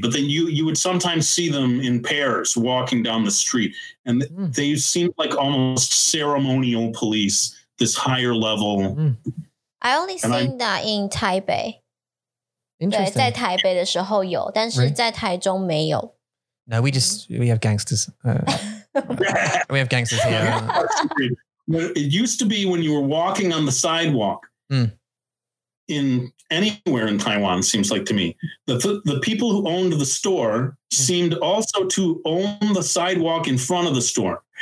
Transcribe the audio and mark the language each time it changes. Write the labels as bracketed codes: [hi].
[en] But then you would sometimes see them in pairs walking down the street. And they seemed like almost ceremonial police, this higher level. I only seen that in Taipei. Interesting. [zh] 在台北的时候有,但是在台中没有。 [en] No, we have gangsters. we have gangsters here. It used to be when you were walking on the sidewalk. In anywhere in Taiwan, seems like to me, the people who owned the store seemed also to own the sidewalk in front of the store.